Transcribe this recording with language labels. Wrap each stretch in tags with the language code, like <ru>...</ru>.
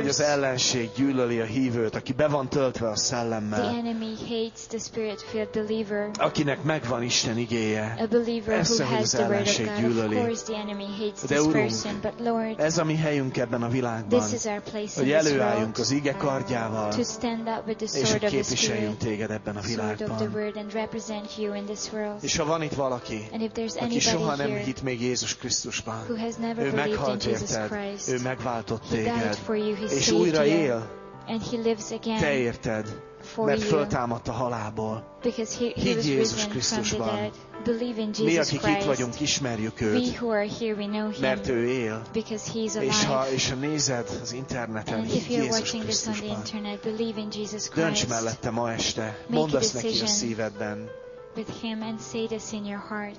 <hu>hogy az ellenség gyűlöli a hívőt, aki be van töltve a szellemmel.</hu> <en>The enemy hates the spirit-filled believer.</en> <hu>Akinek megvan Isten igéje.</hu> <en>A believer</en> <hu>persze,</hu> <en>who has the word of God.</en> <hu>Gyűlöli.</hu> <en>Of course, the enemy hates this</en> <hu>Urunk,</hu> <en>person, but Lord,</en> <hu>ez a mi helyünk ebben a világban.</hu> <en>This is our place,</en> <hu>hogy előálljunk az ige kardjával,</hu> <en>to stand up with the sword,</en> <hu>és hogy képviseljünk</hu> <en>of the spirit,</en> <hu>téged ebben a világban.</hu> <en>Sword of the word and represent you in this world.</en> <hu>És ha van itt valaki,</hu> <en>and if there's</en> <hu>aki soha nem</hu> <en>here,</en> <hu>hit még Jézus Krisztusban,</hu> <en>who has never</en> <hu>ő meghalt érted, ő megváltott téged, és újra él,</hu> <en>and he lives again,</en> <hu>te érted, mert föltámadt a halálból. Higgy Jézus Krisztusban. Mi, akik itt vagyunk, ismerjük őt, mert ő él. És ha nézed az interneten, higgy Jézus Krisztusban. Dönts mellette ma este, mondd azt neki a szívedben.</hu> <en>with him and say this in your heart.</en>